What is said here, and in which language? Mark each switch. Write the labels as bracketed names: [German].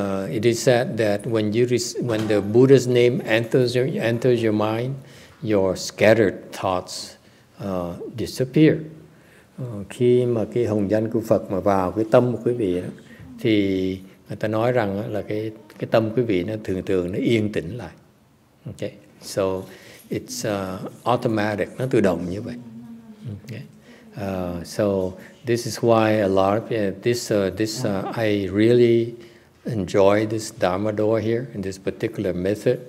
[English] It is said that when the Buddha's name enters your mind, your scattered thoughts disappear. [Vietnamese] Khi mà cái hồng danh của Phật mà vào cái tâm của quý vị đó, thì người ta nói rằng là cái tâm quý vị nó thường thường nó yên tĩnh lại. [English] Okay, so it's automatic, [Vietnamese] nó tự động như vậy. [English] Okay. So this is why a lot of I really enjoy this Dharma door here in this particular method.